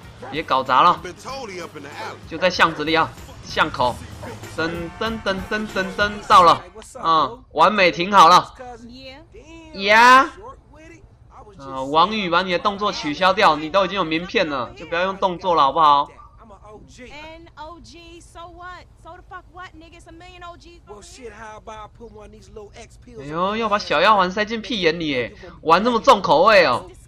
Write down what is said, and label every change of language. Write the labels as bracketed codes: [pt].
[zh] 别搞砸了，就在巷子里啊，巷口。噔噔噔噔噔噔，到了，嗯，完美停好了。呀、yeah? 王宇把你的动作取消掉，你都已经有名片了，就不要用动作了，好不好？ [en] N-O-G, so what? So the fuck what, niggas? A million OGs. Well, shit, how about I put one of these little X pills? [zh] 哎呦，要把小药丸塞进屁眼里，哎，玩那么重口味哦。